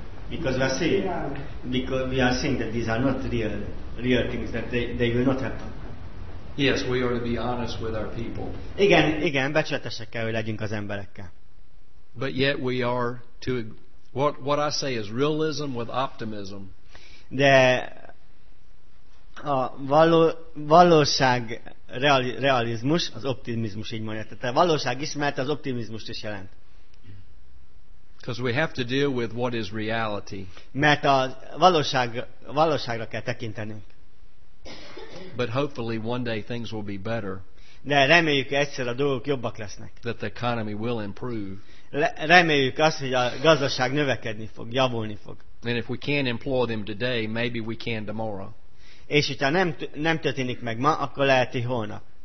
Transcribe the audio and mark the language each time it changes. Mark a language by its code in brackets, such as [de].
[en] Because we are seeing that these are not real things, that they will not happen. Yes, we are to be honest with our people. [hu] Igen, becsületesek kell, hogy legyünk az emberekkel. [en] But yet we are to what I say is realism with optimism. [hu] De a valóság realizmus, az optimizmus, így mondja. Tehát a valóság ismert, az optimizmus is jelent. [en] Because we have to deal with what is reality. [hu] Mert a valóságra kell tekintenünk. [en] But hopefully one day things will be better. [hu] De reméljük, egyszer a dolgok jobbak lesznek. [en] That the economy will improve. [hu] Reméljük azt, hogy a gazdaság növekedni fog, javulni fog. [en] And if we can't employ them today, maybe we can tomorrow. [hu] És hogyha nem történik meg ma, akkor lehet, hogy holnap.